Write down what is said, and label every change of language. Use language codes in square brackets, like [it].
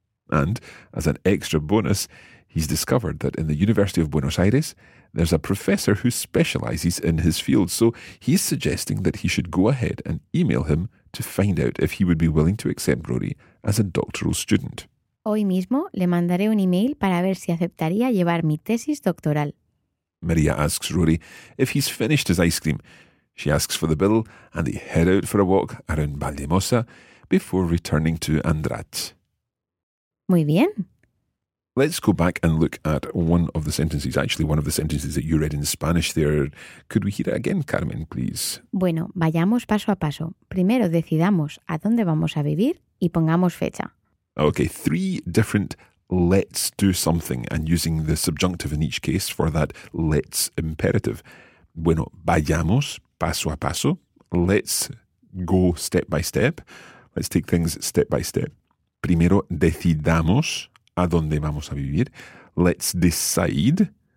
[en] And, as an extra bonus, he's discovered that in the University of Buenos Aires, there's a professor who specialises in his field, so he's suggesting that he should go ahead and email him to find out if he would be willing to accept Rory as a doctoral student. [es] Hoy mismo le mandaré un email para ver si aceptaría llevar mi tesis doctoral. [en] Maria asks Rory if he's finished his ice cream. She asks for the bill, and they head out for a walk around Valdemosa before returning to Andrat. [es] Muy bien. [en] Let's go back and look at one of the sentences, actually one of the sentences that you read in Spanish there. Could we hear it again, Carmen, please? [es] Bueno, vayamos paso a paso. Primero decidamos a dónde vamos a vivir y pongamos fecha. [en] Okay, three different let's do something and using the subjunctive in each case for that let's imperative. [es] Bueno, vayamos paso a paso. [en] Let's go step by step. Let's take things step by step. [es] Primero decidamos a dónde vamos a vivir. [en] Let's decide